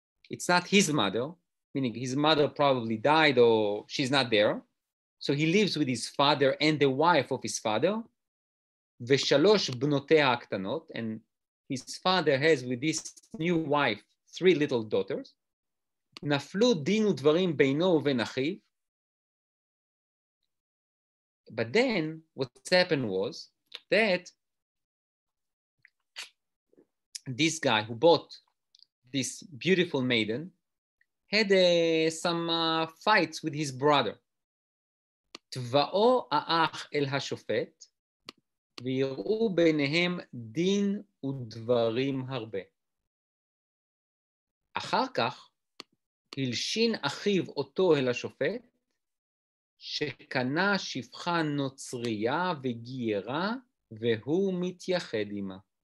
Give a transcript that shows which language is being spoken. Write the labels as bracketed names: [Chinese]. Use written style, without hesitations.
[English] It's not his mother. Meaning his mother probably died or she's not there. So he lives with his father and the wife of his father, [Hebrew] ושלוש בנותיה הקטנות, [English] and his father has with this new wife, three little daughters, [Hebrew] נפלו דין ודברים בינו ובין אחיו. [English] But then what happened was that this guy who bought this beautiful maiden had some fights with his brother. [Hebrew] תבאו האח אל השופט ויראו ביניהם דין ודברים הרבה. אחר כך הלשין אחיו אותו אל השופט שקנה שפחה נוצריה וגיירה והוא מתייחד עימה.